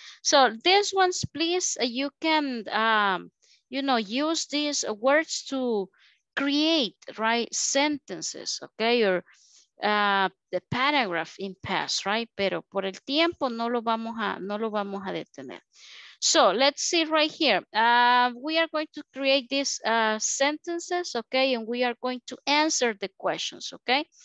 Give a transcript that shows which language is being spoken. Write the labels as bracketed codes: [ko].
[en] So, these ones, please, you can, you know, use these words to create, right, sentences, okay, or the paragraph in past, right? [es] Pero por el tiempo no lo vamos a detener. [en] So let's see right here. We are going to create these sentences, okay? And we are going to answer the questions, okay?